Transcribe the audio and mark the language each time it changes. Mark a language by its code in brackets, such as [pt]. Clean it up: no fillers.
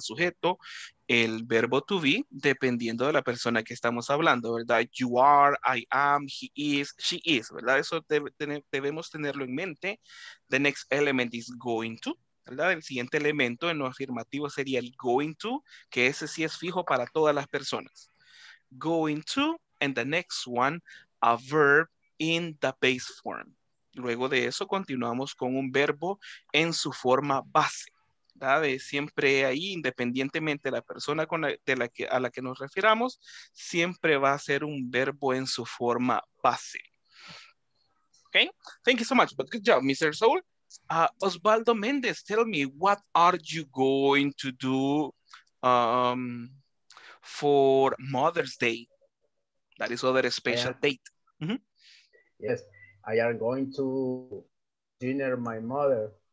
[es] Sujeto, el verbo to be, dependiendo de la persona que estamos hablando, ¿verdad? [en] You are, I am, he is, she is, ¿verdad? [es] Eso debemos tenerlo en mente. [en] The next element is going to, [es] ¿verdad? El siguiente elemento en lo afirmativo sería el going to, que ese sí es fijo para todas las personas. [en] Going to, and the next one, a verb in the base form. [es] Luego de eso, continuamos con un verbo en su forma base. ¿Vale? Siempre ahí, independientemente de la persona con la que nos refiramos, siempre va a ser un verbo en su forma base. [en] Okay? Thank you so much, but good job, Mr. Soul. Osvaldo Méndez, tell me, what are you going to do for Mother's Day? That is other special date. Mm-hmm. Yes. I am going to dinner my mother.